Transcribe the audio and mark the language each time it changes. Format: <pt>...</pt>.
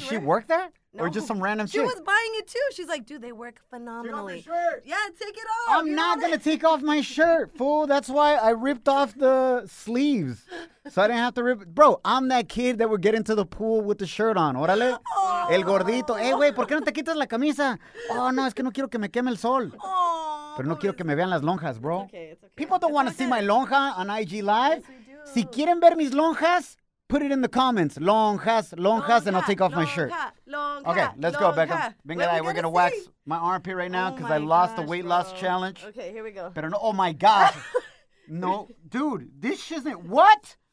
<en>Did she work there? No. Or just some random shirt? She was buying it too. She's like, dude, they work phenomenally. Get off your shirt. Yeah, take it off. I'm not going to take off my shirt, fool. That's why I ripped off the sleeves. So I didn't have to rip it. Bro, I'm that kid that would get into the pool with the shirt on.</en> <es>Órale. Oh. El gordito. Hey, güey, ¿por qué no te quitas la camisa? Oh, no, es que no quiero que me queme el sol. Oh. Pero no quiero que me vean las lonjas, bro.</es> <en>It's okay. People don't want to see my lonja on IG Live. Yes, we do.</en> <es>Si quieren ver mis lonjas,</es> <en>put it in the comments. Lonjas, and I'll take off my shirt.</en> <es>Lonja.</es> <en>Okay, let's</en> <es>lonja.</es> <en>Go, Becca. Venga, we're going to wax my armpit right now because I lost the weight loss challenge. Okay, here we go.</en> <es>Pero no,</es> <en>oh my gosh. No, dude, this isn't, what?</en>